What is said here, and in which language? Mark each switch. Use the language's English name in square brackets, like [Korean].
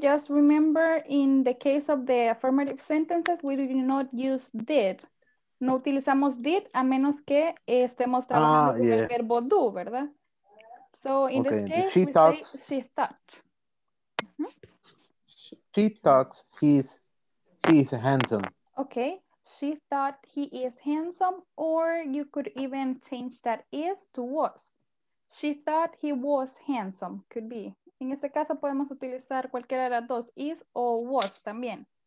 [English] Just remember, in the case of the affirmative sentences, we do not use did. [Spanish] No utilizamos did a menos que estemos trabajando con el verbo do, ¿verdad? [English] So in this case, she talks. She thought. She talks. He's handsome. Okay. She thought he is handsome, or you could even change that is to was. She thought he was handsome. Could be. [Spanish] En ese caso podemos utilizar cualquiera de las dos, is o was también.